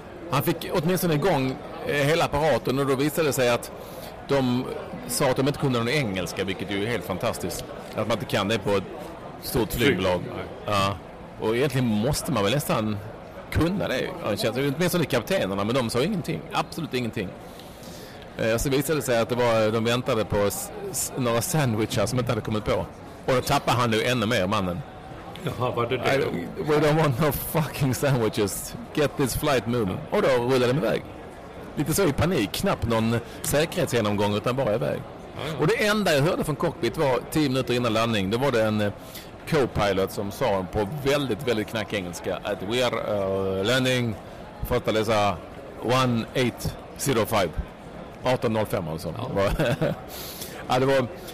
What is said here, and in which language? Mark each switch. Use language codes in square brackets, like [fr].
[sv] Han fick åtminstone igång hela apparaten, och då visade det sig att de sa att de inte kunde någon engelska, vilket ju är helt fantastiskt att man inte kan det på ett stort flygbolag. Ja. Och egentligen måste man väl nästan kunna det. Åtminstone kaptenerna, men de sa ingenting. Absolut ingenting. Så visade det sig att det var, de väntade på några sandwichar som inte hade kommit på. Och då tappade han nu ännu mer, mannen. Jaha, var det det? [en] We don't want no fucking sandwiches. Get this flight moving. [sv] Ja. Och då rullade de iväg. Lite så i panik. Knappt någon säkerhetsgenomgång, utan bara iväg. Ja. Och det enda jag hörde från cockpit var 10 minuter innan landning. Då var det en co-pilot som sa på väldigt, väldigt knack engelska att [en] we are landing Fortaleza 1805. [sv] 1805 alltså. Ja. Ja, det var...